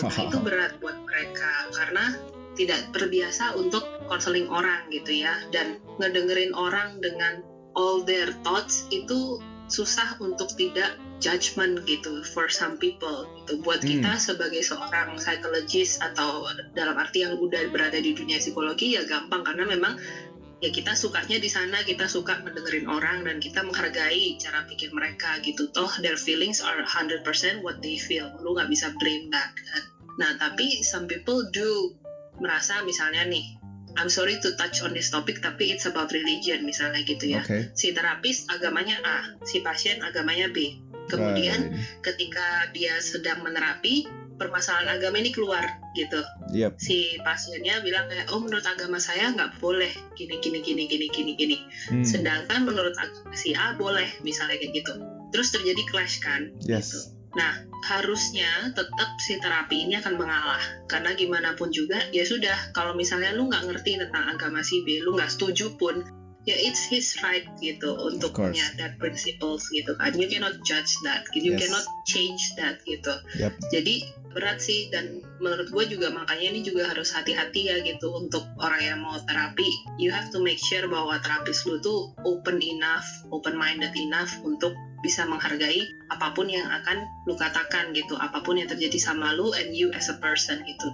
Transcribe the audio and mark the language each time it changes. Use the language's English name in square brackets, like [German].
[Indonesian] Nah, itu berat buat mereka karena tidak terbiasa untuk konseling orang gitu ya, dan ngedengerin orang dengan all their thoughts itu susah untuk tidak judgment gitu for some people gitu. Buat kita sebagai seorang psychologist atau dalam arti yang udah berada di dunia psikologi ya gampang, karena memang ya kita sukanya di sana, kita suka mendengerin orang dan kita menghargai cara pikir mereka gitu. [English] Toh their feelings are 100% what they feel, lu gak bisa blame that kan. Nah tapi some people do merasa misalnya nih, I'm sorry to touch on this topic, tapi it's about religion, misalnya gitu ya. Okay. [Indonesian] Si terapis agamanya A, si pasien agamanya B. Kemudian ketika dia sedang menerapi, permasalahan agama ini keluar, gitu. [English] Yep. [Indonesian] Si pasiennya bilang kayak, oh menurut agama saya nggak boleh, gini. Sedangkan menurut agama si A boleh, misalnya kayak gitu. Terus terjadi clash kan? [English] Yes. [Indonesian] Gitu. Nah, harusnya tetap si terapi ini akan mengalah. Karena gimana pun juga, ya sudah, kalau misalnya lu nggak ngerti tentang agama si B, lu nggak setuju pun, ya it's his right gitu untuk punya that principles gitu kan. [English] You cannot judge that, you cannot change that gitu. Yep. [Indonesian] Jadi berat sih, dan menurut gue juga makanya ini juga harus hati-hati ya gitu untuk orang yang mau terapi. You have to make sure bahwa terapis lu tuh open enough, open-minded enough untuk bisa menghargai apapun yang akan lu katakan gitu, apapun yang terjadi sama lu and you as a person gitu.